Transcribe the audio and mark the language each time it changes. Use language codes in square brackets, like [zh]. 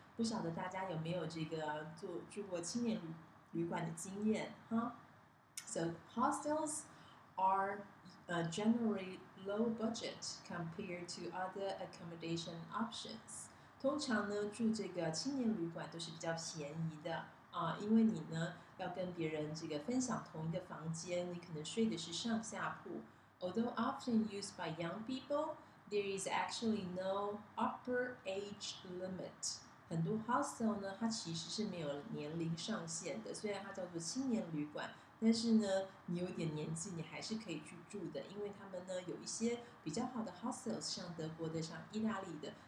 [zh] 不晓得大家有没有这个住过青年旅馆的经验、 [en] So hostels are、generally low budget compared to other accommodation options. [zh] 通常呢住这个青年旅馆都是比较便宜的、因为你呢要跟别人这个分享同一个房间，你可能睡的是上下铺。 [en] Although often used by young people, there is actually no upper age limit. [zh] 很多 hostel 呢它其实是没有年龄上限的，虽然它叫做青年旅馆，但是呢你有点年纪你还是可以去住的，因为他们呢有一些比较好的 hostels， 像德国的，像意大利的，